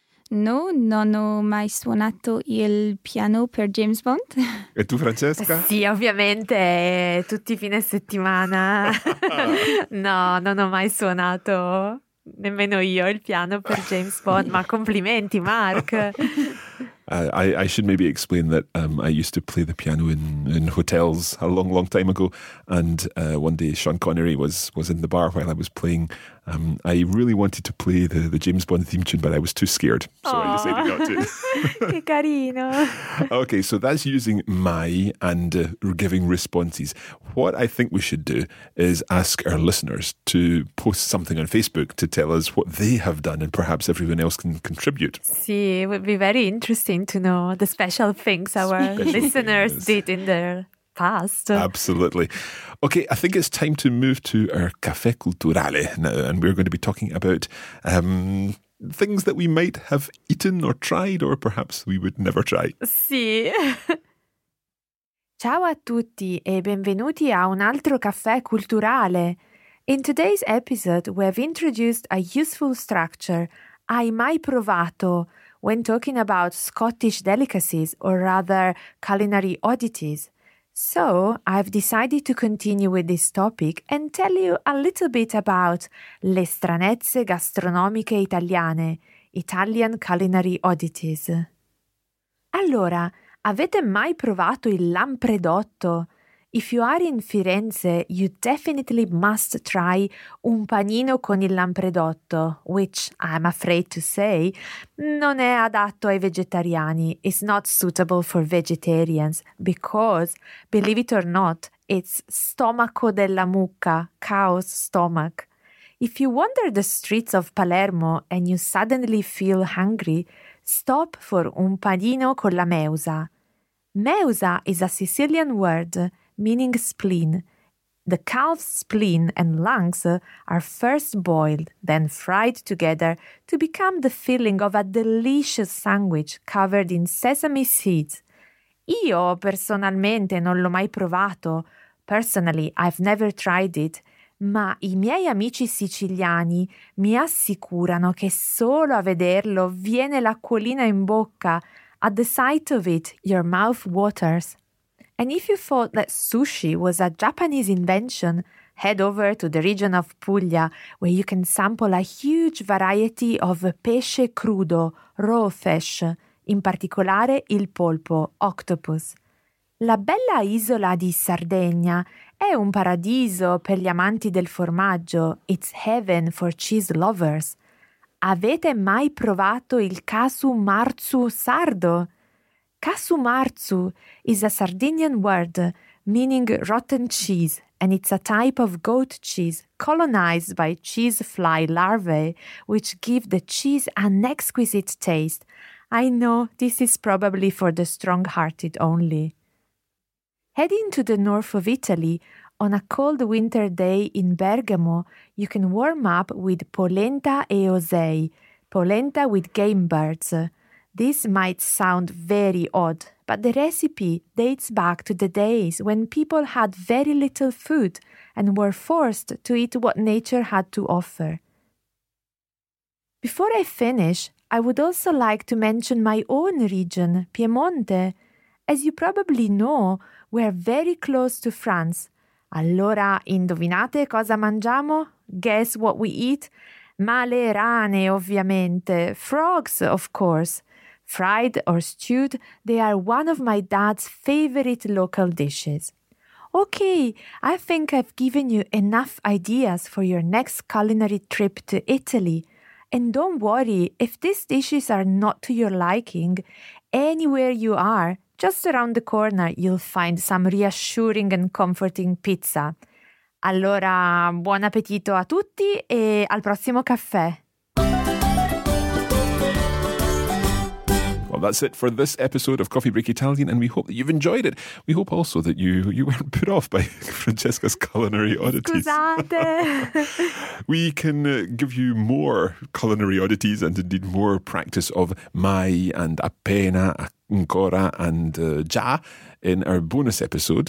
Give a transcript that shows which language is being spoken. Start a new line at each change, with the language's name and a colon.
Italian: No, non ho mai suonato il piano per James Bond. E tu, Francesca? Sì, ovviamente, tutti i fine settimana. No, non ho mai suonato, nemmeno io, il piano per James Bond. Ma complimenti, Mark!
English: I should maybe explain that I used to play the piano in hotels a long, long time ago. And one day Sean Connery was in the bar while I was playing. I really wanted to play the James Bond theme tune, but I was too scared. So aww, I decided not to.
Italian: Che carino.
English: Okay, so that's using my and giving responses. What I think we should do is ask our listeners to post something on Facebook to tell us what they have done, and perhaps everyone else can contribute. Sì, it would be very interesting to know the special things our special listeners things did in their past. Absolutely. Okay, I think it's time to move to our Café Culturale now, and we're going to be talking about things that we might have eaten or tried, or perhaps we would never try.
Italian: Sì. Ciao a tutti e benvenuti a un altro Café Culturale.
English: In today's episode, we have introduced a useful structure,
Italian: hai mai provato,
English: when talking about Scottish delicacies, or rather culinary oddities. So, I've decided to continue with this topic and tell you a little bit about
Italian: le stranezze gastronomiche italiane,
English: Italian Culinary Oddities.
Italian: Allora, avete mai provato il lampredotto?
English: If you are in Firenze, you definitely must try
Italian: un panino con il lampredotto,
English: which, I'm afraid to say,
Italian: non è adatto ai vegetariani.
English: It's not suitable for vegetarians because, believe it or not, it's
Italian: stomaco della mucca,
English: cow's stomach. If you wander the streets of Palermo and you suddenly feel hungry, stop for
Italian: un panino con la meusa.
English: Meusa is a Sicilian word meaning spleen. The calf's spleen and lungs are first boiled, then fried together to become the filling of a delicious sandwich covered in sesame seeds.
Italian: Io personalmente non l'ho mai provato.
English: Personally, I've never tried it.
Italian: Ma i miei amici siciliani mi assicurano che solo a vederlo viene l'acquolina in bocca.
English: At the sight of it, your mouth waters. And if you thought that sushi was a Japanese invention, head over to the region of Puglia, where you can sample a huge variety of
Italian: pesce crudo,
English: raw fish,
Italian: in particolare il polpo,
English: octopus.
Italian: La bella isola di Sardegna è un paradiso per gli amanti del formaggio,
English: it's heaven for cheese lovers.
Italian: Avete mai provato il casu marzu sardo?
English: Casu marzu is a Sardinian word meaning rotten cheese, and it's a type of goat cheese colonized by cheese fly larvae, which give the cheese an exquisite taste. I know this is probably for the strong-hearted only. Heading to the north of Italy, on a cold winter day in Bergamo, you can warm up with
Italian: polenta e osei,
English: polenta with game birds. This might sound very odd, but the recipe dates back to the days when people had very little food and were forced to eat what nature had to offer. Before I finish, I would also like to mention my own region, Piemonte. As you probably know, we're very close to France.
Italian: Allora, indovinate cosa mangiamo?
English: Guess what we eat?
Italian: Ma le rane, ovviamente.
English: Frogs, of course. Fried or stewed, they are one of my dad's favorite local dishes. Okay, I think I've given you enough ideas for your next culinary trip to Italy. And don't worry, if these dishes are not to your liking, anywhere you are, just around the corner, you'll find some reassuring and comforting pizza.
Italian: Allora, buon appetito a tutti e al prossimo caffè!
English: Well, that's it for this episode of Coffee Break Italian, and we hope that you've enjoyed it. We hope also that you weren't put off by Francesca's culinary oddities.
Italian: Scusate!
English: We can give you more culinary oddities and indeed more practice of mai and appena, ancora and già in our bonus episode.